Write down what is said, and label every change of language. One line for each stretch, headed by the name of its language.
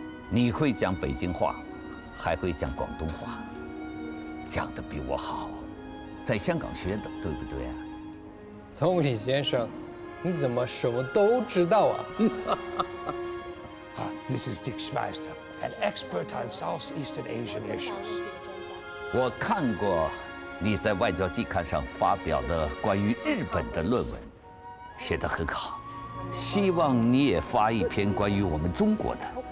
Chinese: 你会讲北京话，还会讲广东话，讲得比我好，在香港学的，对不对啊？总理先生，你怎么什么都知道啊？
English: This is Dick Schmeister, an expert on Southeast Asian issues.
Chinese: 我看过你在外交季刊上发表的关于日本的论文，写得很好。希望你也发一篇关于我们中国的。